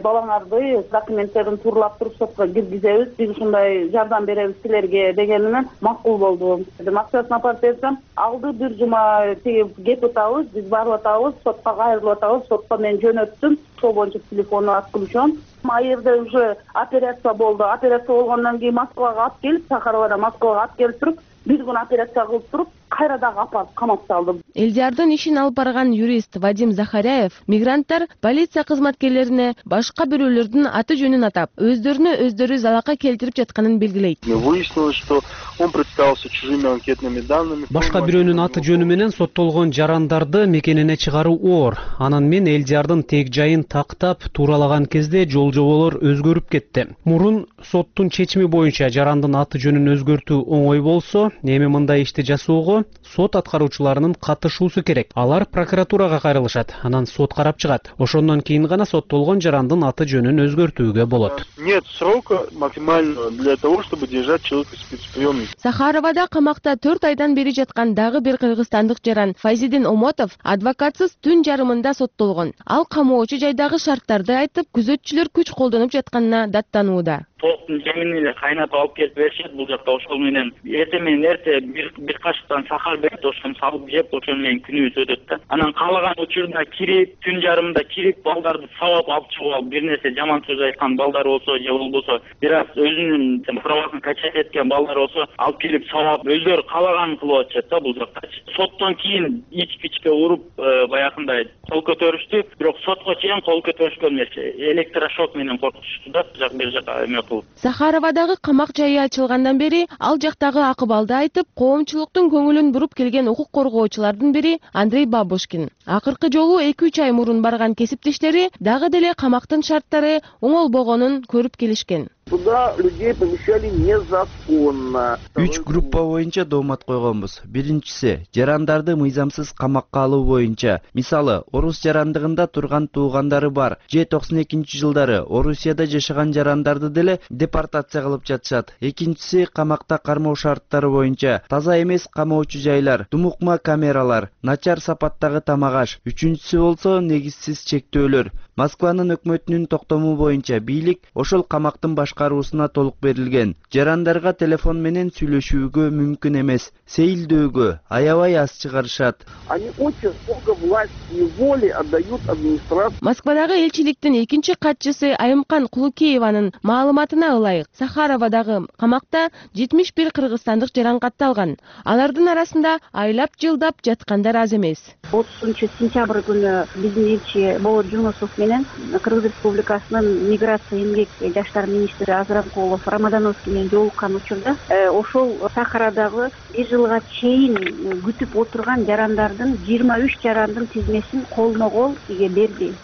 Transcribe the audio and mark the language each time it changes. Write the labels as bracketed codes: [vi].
[ky] Балаңарды документтерин туурлап туруп сотко киргизебиз, биз ушундай жардам беребиз силерге дегенинен макул болдум. Максатына апарып берсем, алды бир жума тигип кетипатабыз, биз барып атабыз, сотко кайрылып атабыз, сотко мен жөнөттүм. Ошол боюнча телефону аткылышом. Айырда уже операция болду. Операция болгондон кийин Москвага алып келип, Сахаровада Москвага алып келип туруп, бир күн операция кылып туруп, кайра дагы апарып камап салдым. Элдиярдын ишин алып барган юрист Вадим Захаряев мигранттар полиция кызматкерлерине башка бирөөлөрдүн аты жөнүн атап, өздөрүнө өздөрү залака келтирип жатканын белгилейт. [ru] Выяснилось, что он представился чужими анкетными данными. [ky] Башка бирөөнүн аты жөнү менен соттолгон жарандарды мекенине чыгаруу оор. Анан мен Элдиярдын тек жайын тактап тууралаган кезде жол жоболор өзгөрүп кетти. Мурун соттун чечими боюнча жарандын аты жөнүн өзгөртүү оңой болсо, эми мындай ишти жасоого сот аткаруучуларынын катышуусу керек. Алар прокуратурага кайрылышат, анан сот карап чыгат. Ошондон кийин гана соттолгон жарандын аты жөнүн өзгөртүүгө болот. [ru] Нет срока максимального для того, чтобы держать человека в спецприемнике. [ky] Сахаровада камакта 4 айдан бери жаткан дагы бир кыргызстандык жаран Файзидин Омотов адвокатсыз түн жарымында соттолгон. Ал камоочу жайдагы шарттарды айтып, күзөтчүлөр күч колдонуп жатканына даттанууда. Токтун жемин эле кайнатып алып келип беришет бул жакта. Ошол менен эртең менен эрте бир кашыктан сахар берет, ошону салып жеп, ошону менен күнүбүз өтөт да. Анан каалаган учурунда кирип, түн жарымында кирип, балдарды сабап алып чыгып алып, бир нерсе жаман сөз айткан балдар болсо же болбосо, бир аз өзүнүн правасын качать эткен балдар болсо алып келип сабап, өздөрү каалаганын кылып атышат да бул жактачы. Соттон кийин ичке уруп баягындай кол көтөрүштү, бирок сотко чейин кол көтөрүшкөн нерсе электрошок менен коркутушту да, бул жак бир жака эме. Сахаровадагы камак жайы ачылгандан бери ал жактагы акыбалды айтып коомчулуктун көңүлүн буруп келген укук коргоочулардын бири Андрей Бабушкин. Акыркы жолу 2-3 ай мурун барган кесиптештери дагы деле камактын шарттары оңолбогонун көрүп келишкен. [ru] Туда людей помещали незаконно. [ky] 3 группа боюнча доомат койгонбуз. Биринчиси жарандарды мыйзамсыз камакка алуу боюнча. Мисалы, орус жарандыгында турган туугандары бар же 92 жылдары Орусияда жашаган жарандарды деле депортация кылып жатышат. Экинчиси камакта кармоо шарттары боюнча таза эмес камоочу жайлар, думукма камералар, начар сапаттагы тамак аш. Үчүнчүсү болсо негизсиз чектөөлөр. Москванын өкмөтүнүн токтому боюнча бийлик ошол камактын башкаруусуна толук берилген. Жарандарга телефон менен сүйлөшүүгө мүмкүн эмес. Сейилдөөгө аябай аз чыгарышат. [ru] Они очень долго власть и воли отдают администрации. [ky] Москвадагы элчиликтин экинчи катчысы Айымкан Кулукееванын маалыматына ылайык, Сахаровадагы камакта 71 кыргызстандык жаран катталган. Алардын арасында айлап жылдап жаткандар аз эмес. 30 сентябрь күнү биздин элчи Болот Жунусов менен Кыргыз Республикасынын миграция эмгек жаштар министри Азранкулов Рамадановский менен жолуккан учурда ошол Сахарадагы бир жылга чейин күтүп отурган жарандардын 23 жарандын тизмесин колмо кол берди.